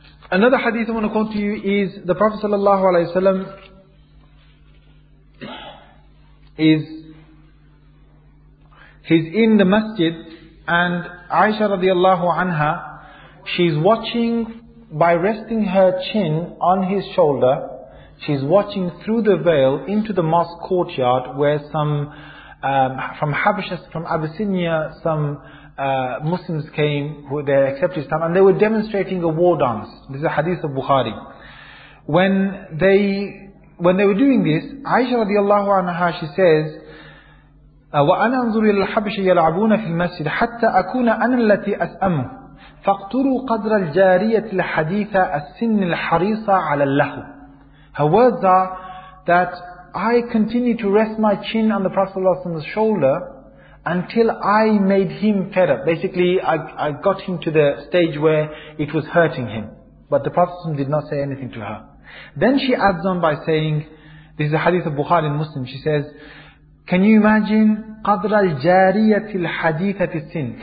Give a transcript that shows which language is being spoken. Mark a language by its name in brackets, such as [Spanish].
[English] Another hadith I want to quote to you is the Prophet sallallahu alaihi wasallam he's in the masjid, and Aisha radiallahu anha, she's watching by resting her chin on his shoulder. She's watching through the veil into the mosque courtyard, where from Abyssinia, some Muslims came who they accepted Islam, and they were demonstrating a war dance. This is a hadith of Bukhari. When they were doing this, Aisha radiallahu anha, she says, [Arabic] وأنا أنظر إلى الحبش يلعبون في المسجد حتى أكون أنا التي أسأمه فاقتروا قدر الجارية الحديثة السن الحريصة على اللهو. [English] Her words are that I continue to rest my chin on the Prophet's shoulder until I made him fed up. Basically, I got him to the stage where it was hurting him. But the Prophet did not say anything to her. Then she adds on by saying, this is a hadith of Bukhari in Muslim, she says, can you imagine [Arabic] قدر الجارية الحديثة في السن?